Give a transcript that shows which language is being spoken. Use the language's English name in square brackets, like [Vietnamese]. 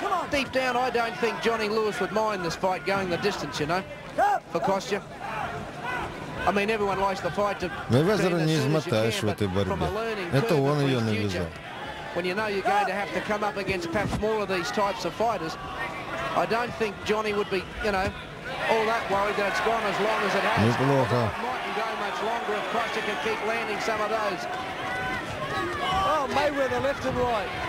[English] Deep down, I don't think Johnny Lewis would mind this fight going the distance, you know, for Costa. I mean, everyone likes the fight to. [Russian] Мейвезера не измотаешь в этой борьбе. Это он ее навязал. [English] When you know you're going to have to come up against perhaps more of these types of fighters, I don't think Johnny would be, you know, all that worried that it's gone as long as it has. [Russian] Неплохо. [English] Mightn't go much longer if Costa can keep landing some of those. Oh, Mayweather left and right.